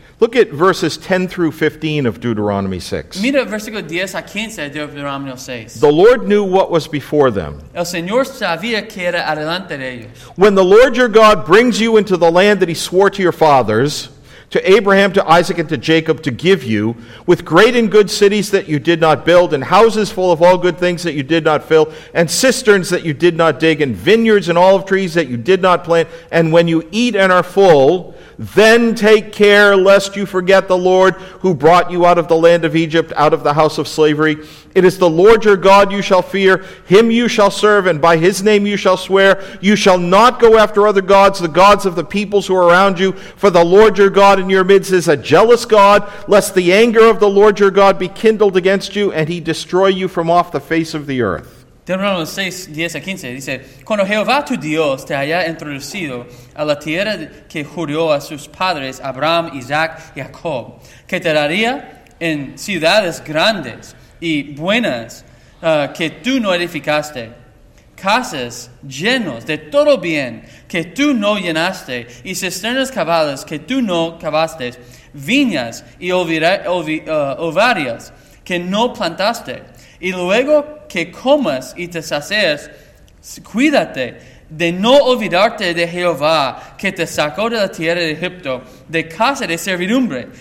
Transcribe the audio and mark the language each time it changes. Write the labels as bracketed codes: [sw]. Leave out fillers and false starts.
[en] Look at verses 10 through 15 of Deuteronomy 6. [es] Mira versículo 10 a 15 de Deuteronomio 6. [en] The Lord knew what was before them. [es] El Señor sabía que era adelante de ellos. [en] When the Lord your God brings you into the land that he swore to your fathers, to Abraham, to Isaac, and to Jacob, to give you, with great and good cities that you did not build, and houses full of all good things that you did not fill, and cisterns that you did not dig, and vineyards and olive trees that you did not plant, and when you eat and are full, then take care lest you forget the Lord who brought you out of the land of Egypt, out of the house of slavery. It is the Lord your God you shall fear. Him you shall serve, and by his name you shall swear. You shall not go after other gods, the gods of the peoples who are around you. For the Lord your God in your midst is a jealous God, lest the anger of the Lord your God be kindled against you, and he destroy you from off the face of the earth. [es] Deuteronomio 6, 10 a 15 dice, cuando Jehová tu Dios te haya introducido a la tierra que juró a sus padres Abraham, Isaac y Jacob, que te daría en ciudades grandes y buenas que tú no edificaste, casas llenas de todo bien que tú no llenaste y cisternas cavadas que tú no cavaste, viñas y ovarias que no plantaste, y luego que comas y te sacies, cuídate de no olvidarte de Jehová, que te sacó de la tierra de Egipto, de casa de servidumbre.